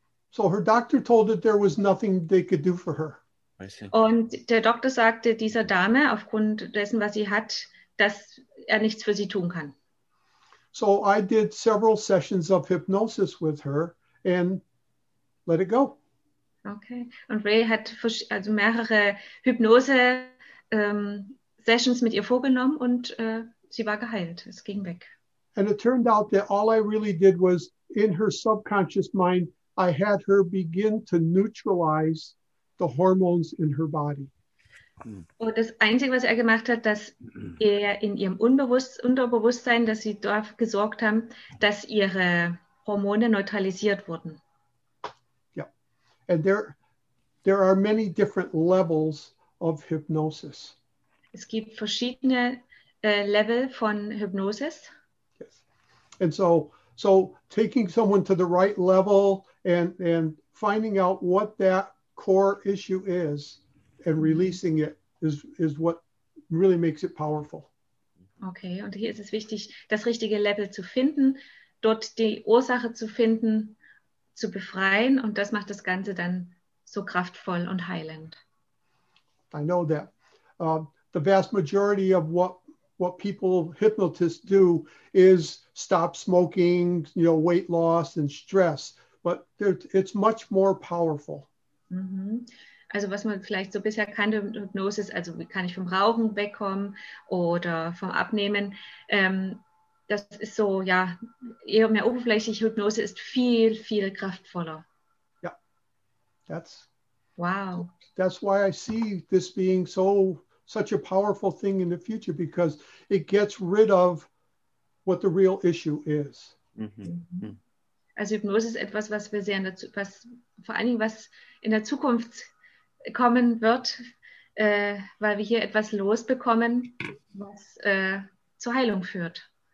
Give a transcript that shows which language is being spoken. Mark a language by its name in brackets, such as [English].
[English] So her doctor told her there was nothing they could do for her. I see. [German] Und der Doktor sagte dieser Dame aufgrund dessen, was sie hat, dass er nichts für sie tun kann. [English] So I did several sessions of hypnosis with her and let it go. Okay. [German] Und Ray hat also mehrere Hypnose Sessions mit ihr vorgenommen und sie war geheilt. Es ging weg. [English] And it turned out that all I really did was in her subconscious mind, I had her begin to neutralize the hormones in her body. [German] Und das Einzige, was er gemacht hat, dass er in ihrem Unterbewusstsein, dass sie dort gesorgt haben, dass ihre Hormone neutralisiert wurden. [English] Yeah. And there are many different levels of hypnosis. [German] Es gibt verschiedene Level von Hypnosis. [English] Yes. And so taking someone to the right level and finding out what that core issue is and releasing it is what really makes it powerful. [German] Okay, und hier ist es wichtig, das richtige Level zu finden, dort die Ursache zu finden, zu befreien, und das macht das Ganze dann so kraftvoll und heilend. [English] I know that. The vast majority of what people, hypnotists do is stop smoking, you know, weight loss and stress, but it's much more powerful. [German] Also was man vielleicht so bisher kannte, Hypnosis, also wie kann ich vom Rauchen wegkommen oder vom Abnehmen, das ist so, ja, eher mehr oberflächlich. Hypnose ist viel, viel kraftvoller. [English] Ja, that's... Wow. That's why I see this being so such a powerful thing in the future, because it gets rid of what the real issue is. Mm-hmm. [German] Also Hypnose ist etwas, was wir sehen, was vor allen Dingen was in der Zukunft kommen wird, weil wir hier etwas losbekommen, was zur Heilung führt.